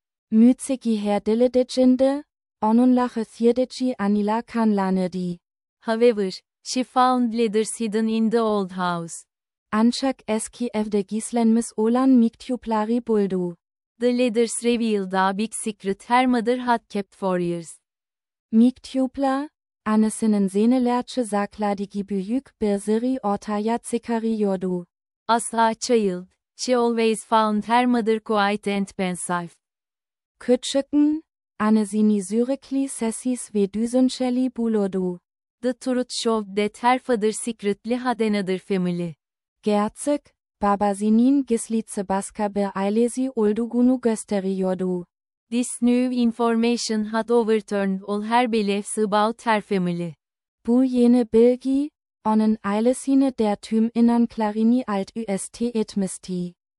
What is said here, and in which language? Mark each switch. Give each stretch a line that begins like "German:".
Turkish: Müziki her dile dicinde, onun lachı yedici anila kanlanırdı.
English: However, she found letters hidden in the old house.
Turkish: Ancak eski evde gizlenmiş olan mektupları buldu.
English: The letters revealed a big secret her mother had kept for years.
Turkish: Mektuplar, annesinin senelerce sakladığı büyük bir sırrı ortaya çıkarıyordu.
English: As a child, she always found her mother quiet and pensive.
Turkish: Küçükken, annesini sürekli sessiz ve düşünceli bulurdu.
English: The truth showed that her father secretly had another family.
Turkish: Gerçek, babasının gizlice başka bir ailesi olduğunu gösteriyordu.
English: This new information had overturned all her beliefs about her family.
Turkish: Bu yeni bilgi, onun ailesini der tüm inanklarını alt üst etmişti.